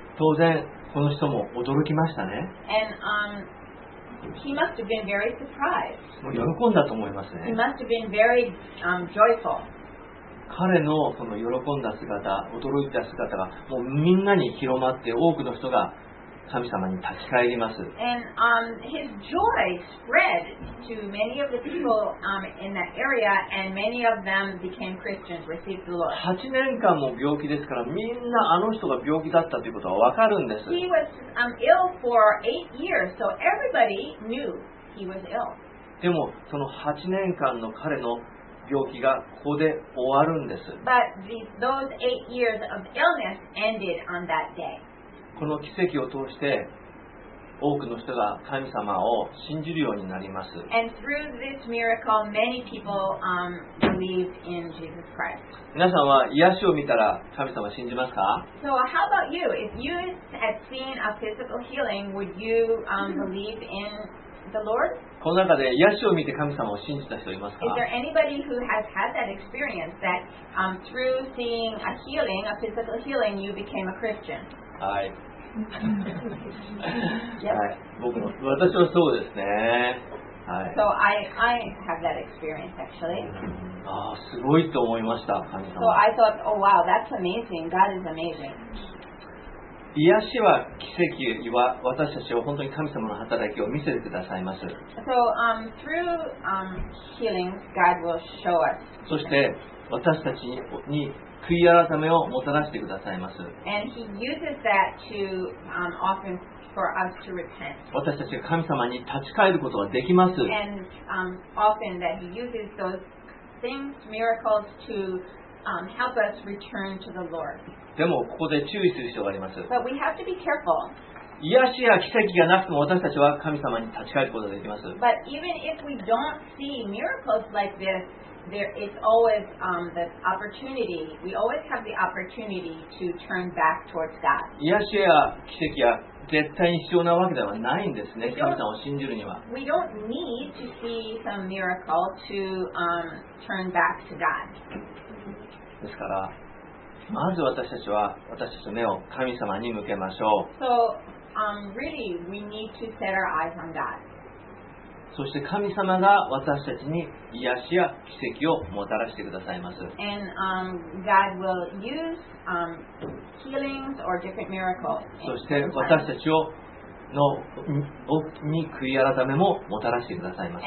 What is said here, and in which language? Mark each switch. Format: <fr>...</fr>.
<ja>当然この人も驚きましたね。</ja> <en>And he must have been very surprised.</en> <ja>もう喜んだと思いますね。</ja> <en>He must have been very joyful.</en> <ja>彼のその喜んだ姿、驚いた姿がもうみんなに広まって多くの人が神様に立ち返ります。</ja> <en>And his joy spread to many of the people in that area, and many of them became Christians, received the Lord.</en> <ja>8年間も病気ですから、みんなあの人が病気だったということはわかるんです。</ja> <en>He was ill for 8 years, so everybody knew he was ill.</en> <ja>でもその8年間の彼の病気がここで終わるんです。</ja> <en>But those 8 years of illness ended on that day.</en> <ja>この奇跡を通して多くの人が神様を信じるようになります。</ja> <en>And through this miracle, many people believed in Jesus Christ.</en> <ja>皆さんは癒しを見たら神様を信じますか?</ja> <en>So how about you? If you had seen a physical healing, would you believe in the Lord?</en> <ja>この中で癒しを見て神様を信じた人いますか?</ja> <en>Is there anybody who has had that experience that through seeing a healing, a physical healing, you became a Christian?</en> <ja>はい、はい、僕も私はそうですね、はい、</ja> <en>So I have that experience actually.</en> <ja>ああすごいと思いました神様。</ja> <en>So I thought, oh wow, that's amazing. God is amazing.</en> <ja>癒しは奇跡は私たちを本当に神様の働きを見せてくださいます。</ja> <en>So through healings, God will show us.</en> <ja>そして私たちに悔い改めをもたらしてくださいます。</ja> <en>And he uses that to, often for us to repent.</en> <ja>私たちが神様に立ち返ることができます。</ja> <en>And often that he uses those things, miracles, to help us return to the Lord.</en> <ja>でもここで注意する必要があります。</ja> <en>But we have to be careful.</en> <ja>癒しや奇跡がなくても私たちは神様に立ち返ることができます。</ja> <en>But even if we don't see miracles like this,There is always the opportunity. We always have the opportunity to turn back towards God.</en> <ja>癒しや奇跡は絶対に必要なわけではないんですね。神様を信じるには。</ja> <en>We don't need to see some miracle to turn back to God.</en> <ja>ですから、まず私たちは私たちの目を神様に向けましょう。</ja> <en>So really, we need to set our eyes on God.</en> <ja>そして神様が私たちに癒しや奇跡をもたらしてくださいます。</ja> <en>And God will use healings or different miracles.</en> <ja>そして私たちをのに悔い改めももたらしてくださいます。</ja>